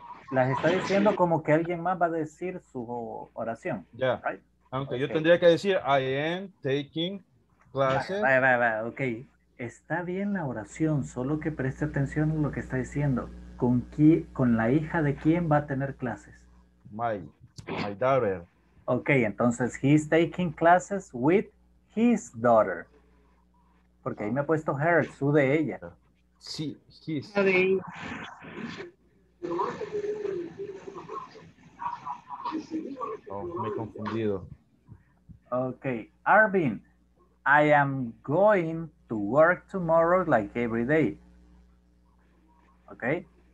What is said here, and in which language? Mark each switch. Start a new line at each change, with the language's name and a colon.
Spanish: Las está diciendo como que alguien más va a decir su oración. Ya. Yeah. Right? Aunque okay. Yo tendría que decir, I am taking classes. Va. Ok. Está bien la oración, solo que preste atención a lo que está diciendo. ¿Con la hija de quién va a tener clases?
English: My daughter. Ok, entonces, he's taking classes with his daughter.
Spanish: Porque ahí me ha puesto her, su de ella. Sí, sí. Sí. Oh, me he confundido.
English: Okay, Arvin, I am going to work tomorrow like every day. Okay?